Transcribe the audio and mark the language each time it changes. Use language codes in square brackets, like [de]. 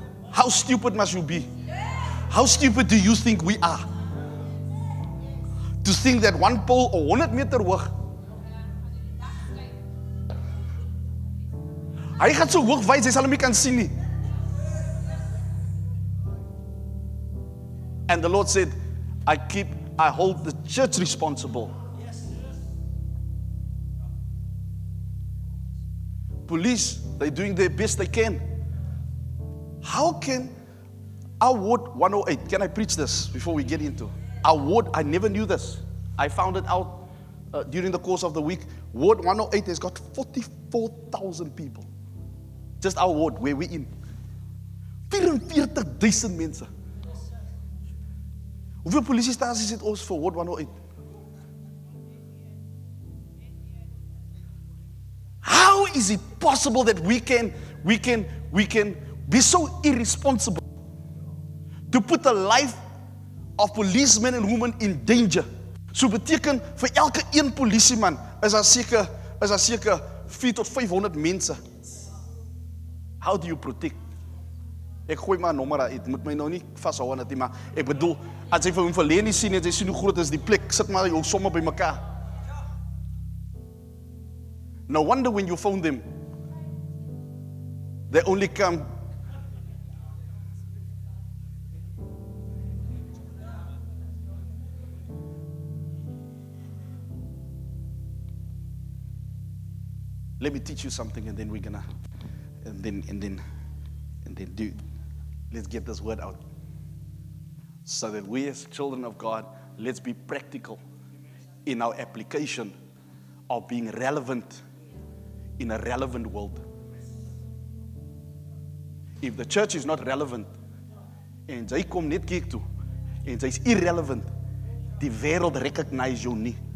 [en] How stupid must you be? How stupid do you think we are? To think that one pole or 100 meter hoog. [af] Hy gaan so hoog wys, hy sal hom nie kan sien nie. [en] And the Lord said, I hold the church responsible. police, they're doing their best they can. How can Award 108, can I preach this before we get into? Award, I never knew this. I found it out during the course of the week. Ward 108 has got 44,000 people. Just our ward, where we're in. [af] 44,000 mense. Hoeveel polisiestasies het ons vir Ward 108? [en] How is it possible that we can be so irresponsible to put the life of policemen and women in danger? [af] So beteken vir elke een polisieman is daar seker 400 tot 500 mense. [en] How do you protect? [af] Ek gooi maar 'n nommer uit, moet my nou nie vashou aan dit nie, maar ek bedoel, as jy vir hom verleen nie sien, jy sien hoe groot is die plek, sit maar jou somme by mekaar. [en] No wonder when you phone them, they only come. Let me teach you something and then we're gonna, and then do, let's get this word out. So that we as children of God, let's be practical in our application of being relevant in a relevant world. If the church is not relevant, [af] en jy kom net kerk toe, en jy is irrelevant, die wêreld recognize jou nie.